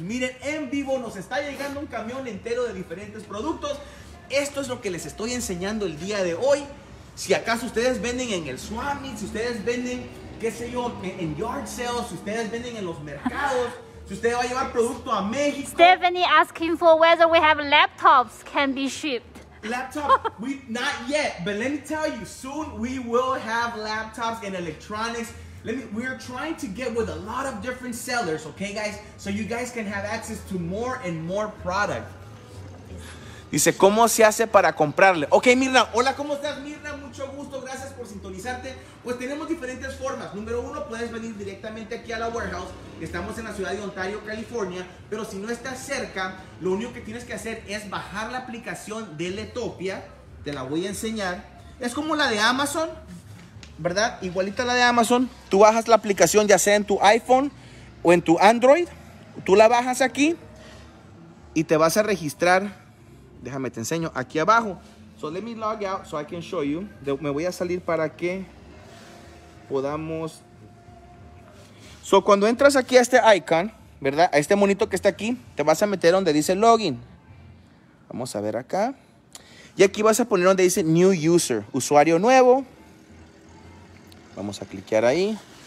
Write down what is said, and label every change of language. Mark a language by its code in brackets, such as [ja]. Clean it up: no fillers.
[es] Miren, en vivo nos está llegando un camión entero de diferentes productos. Esto es lo que les estoy enseñando el día de hoy. Si acaso ustedes venden en el Swami, si ustedes venden, qué sé yo, en yard sales, si ustedes venden en los mercados, si usted va a llevar producto a México. [en] Stephanie asking for whether we have laptops can be shipped. Laptop, not yet, but let me tell you, soon we will have laptops and electronics. We are trying to get with a lot of different sellers, okay, guys? So you guys can have access to more and more product. [es] Dice, ¿cómo se hace para comprarle? Ok, Mirna, hola, ¿cómo estás, Mirna? Mucho gusto, gracias por sintonizarte. Pues tenemos diferentes formas. Número uno, puedes venir directamente aquí a la warehouse. Estamos en la ciudad de Ontario, California. Pero si no estás cerca, lo único que tienes que hacer es bajar la aplicación de Letopia. Te la voy a enseñar. Es como la de Amazon, ¿verdad? Igualita a la de Amazon. Tú bajas la aplicación, ya sea en tu iPhone o en tu Android. Tú la bajas aquí y te vas a registrar. Déjame te enseño aquí abajo. [en] So let me log out so I can show you. [es] Me voy a salir para que podamos. So cuando entras aquí a este icon, ¿verdad? A este monito que está aquí, te vas a meter donde dice login. Vamos a ver acá. Y aquí vas a poner donde dice new user, usuario nuevo. Vamos a cliquear ahí.